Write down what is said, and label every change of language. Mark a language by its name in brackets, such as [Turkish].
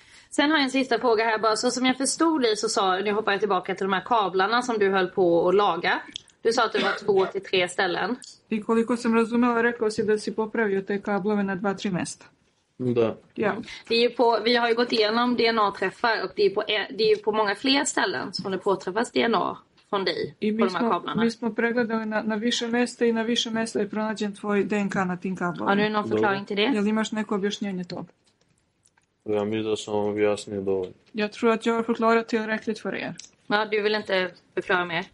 [Swedish] Sen har jag en sista fråga här. Bara. Så som jag förstod dig så sa du, nu hoppar jag tillbaka till de här kablarna som du höll på att laga. Du sa att det var 2-3 ställen. [Serbian] I koliko sam razumela, rekao si da si popravio te kablove na 2-3 mesta. Da. [Swedish] Ja. Det är ju på, vi har ju gått igenom DNA-träffar och det är ju på många fler ställen som det påträffas DNA från dig i på de här kablarna. [Serbian] Vi smo pregledali na više mesta i na više mesta je pronađen tvoj DNK na tim kablovima. [Swedish] A nu je någon förklaring till det? [Serbian] Jel imaš neko objašnjenje tog? Ja, mi da sam objasnio dovoljno. [Swedish] Jag tror att jag har förklarat tillräckligt för er. Ja, du vill inte förklara mer.